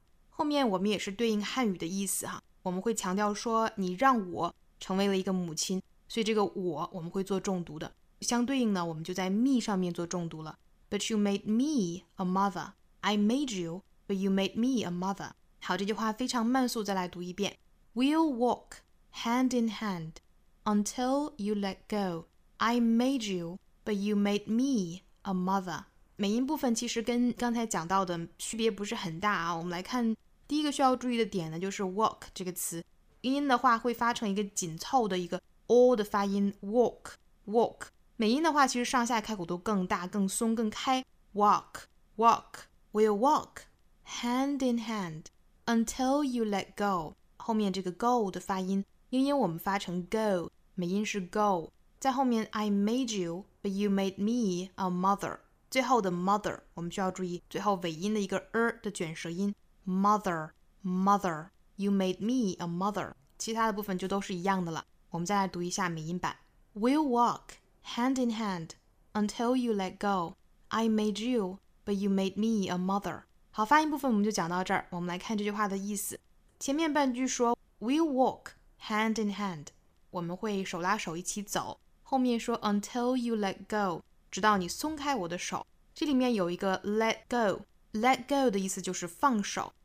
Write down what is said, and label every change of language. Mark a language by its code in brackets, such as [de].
[zh] 后面我们也是对应汉语的意思哈，我们会强调说你让我成为了一个母亲，所以这个我们会做重读的。相对应呢，我们就在 me 上面做重读了。 [en] But you made me a mother. I made you, but you made me a mother. [zh] 好，这句话非常慢速，再来读一遍。 [en] We'll walk hand in hand until you let go. I made you, but you made me a mother. [zh] 美音部分其实跟刚才讲到的区别不是很大啊。我们来看第一个需要注意的点呢，就是 walk 这个词。音的话会发成一个紧凑的一个 o 的发音 walk, walk。美音的话其实上下开口都更大、更松、更开 walk, walk. [en] We'll walk hand in hand. Until you let go， [zh] 后面这个 go 的发音，英音我们发成 go， 美音是 go。在后面 [en] I made you, but you made me a mother。 [zh] 最后的 mother， 我们需要注意最后尾音的一个 的卷舌音 ，mother， mother， [en] you made me a mother。 [zh] 其他的部分就都是一样的了。我们再来读一下美音版。 [en] We'll walk hand in hand until you let go. I made you, but you made me a mother. [zh] 好，发音部分我们就讲到这儿。我们来看这句话的意思。前面半句说 [en] We'll walk hand in hand， [zh] 我们会手拉手一起走。后面说 [en] until you let go， [zh] 直到你松开我的手。这里面有一个 let go， let go 的意思就是放手。